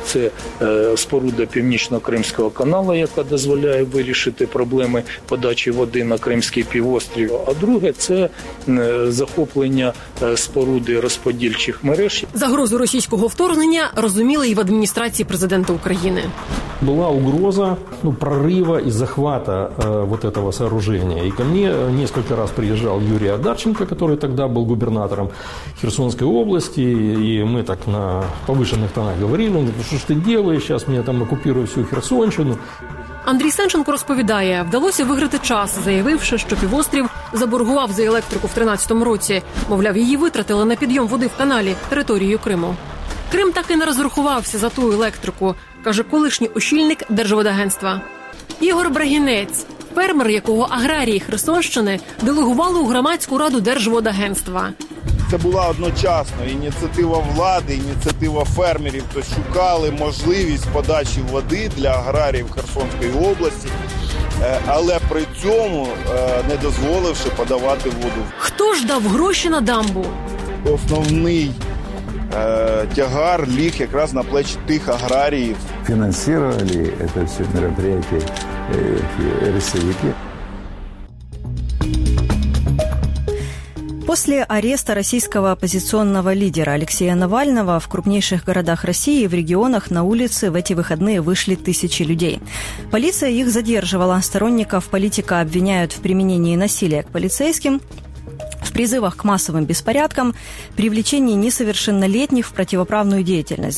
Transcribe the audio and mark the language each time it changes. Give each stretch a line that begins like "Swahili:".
Ukrainian: Це споруда Північно-Кримського каналу, яка дозволяє вирішити проблеми подачі води на Кримський півострів. А друге – це захоплення споруди розподільчих мереж. Загрозу російського вторгнення розуміли і в адміністрації президента України.
Russian: Была угроза, ну, прорыва и захвата вот этого сооружения. И ко мне несколько раз приезжал Юрий Одарченко, который тогда был губернатором Херсонской области. И мы так на повышенных тонах говорили: что ж ты делаешь, сейчас мне там оккупируют всю Херсонщину.
Ukrainian: Андрій Сенченко розповідає, вдалося виграти час, заявивши, що півострів заборгував за електрику в 13-му році. Мовляв, її витратили на підйом води в каналі територією Криму. Крим так і не розрахувався за ту електрику, каже колишній очільник Держводагентства. Ігор Брагінець, фермер, якого аграрії Херсонщини делегували у громадську раду Держводагентства. Це була одночасно ініціатива влади, ініціатива фермерів, то шукали можливість подачі води для аграріїв Херсонської області, але при цьому не дозволивши подавати воду. Хто ж дав гроші на дамбу? Основний тягар ліг якраз на плечі тих аграріїв. Фінансували це все мероприятие росіяни.
Russian: После ареста российского оппозиционного лидера Алексея Навального в крупнейших городах России и в регионах на улицы в эти выходные вышли тысячи людей. Полиция их задерживала. Сторонников политика обвиняют в применении насилия к полицейским, в призывах к массовым беспорядкам, привлечении несовершеннолетних в противоправную деятельность.